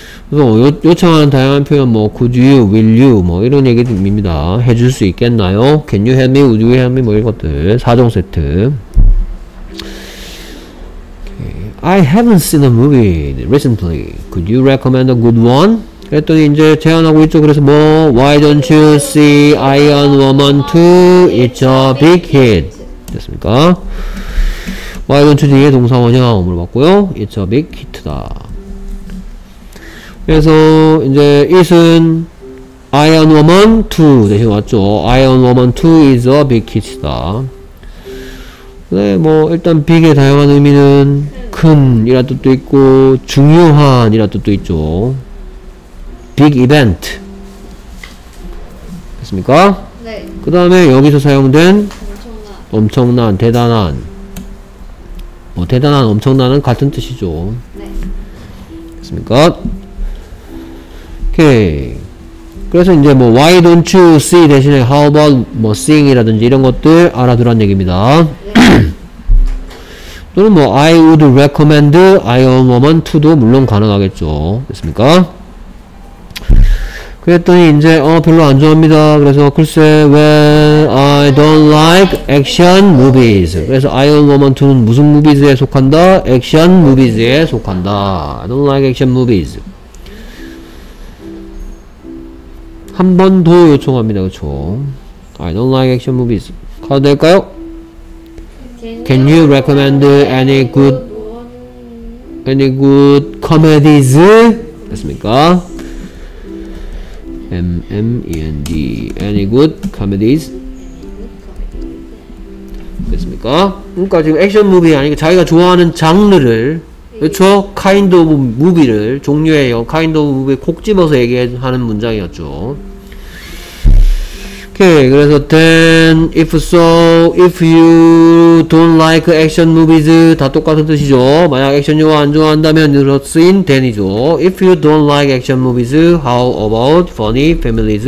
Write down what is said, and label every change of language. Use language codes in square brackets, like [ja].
[ko] 그래서 요청하는 다양한 표현 뭐 could you, will you 뭐 이런 얘기입니다. 해줄 수 있겠나요? [en] Can you help me, [ko] would you help me 뭐 이런 것들 4종 세트. [en] Okay. I haven't seen a movie recently. Could you recommend a good one? [ko] 그랬더니 이제 제안하고 있죠. 그래서 뭐 [en] Why don't you see Iron Woman 2? It's a big hit. [ko] 됐습니까? 와이번 추진의 동사 원형으로 봤고요. [en] It's a big hit [ko] 다. 그래서 이제 it은 Iron Woman 2 대신 왔죠. [en] Iron Woman 2 is a big hit다. [ko] 네, 뭐 일단 big의 다양한 의미는 큰 이란 뜻도 있고 중요한 이란 뜻도 있죠. [en] Big event. [ko] 됐습니까? 네. 그 다음에 여기서 사용된 엄청난. 엄청난, 대단한. 뭐 대단한, 엄청난은 같은 뜻이죠. 네. 됐습니까? 오케이. 그래서 이제 뭐 why don't you see 대신에 how about 뭐 seeing 이라든지 이런 것들 알아두란 얘기입니다. 네. 또는 뭐 [en] I would recommend [ko] Iron Woman 2도 물론 가능하겠죠. 됐습니까? 그랬더니 이제 별로 안 좋아합니다. 그래서 글쎄 [en] well I don't like action movies. [ko] 그래서 Iron Woman 2는 무슨 무비즈에 속한다? Action movies에 속한다. [en] I don't like action movies. [ko] 한 번 더 요청합니다. 그쵸? [en] I don't like action movies. [ko] 가도 될까요? [en] Can you recommend any good comedies? [ko] 됐습니까? [en] M-M-E-N-D Any good comedies? [ko] 됐습니까? 그러니까 지금 액션 무비 아니고 자기가 좋아하는 장르를 그쵸? Kind of movie를 종류예요. Kind of movie 콕 집어서 얘기하는 문장이었죠. 오케이. [en] 그래서 then if so if you don't like action movies [ko] 다 똑같은 뜻이죠. 만약 액션 영화 안 좋아한다면 이로 쓰인 then이죠. [en] If you don't like action movies how about funny families?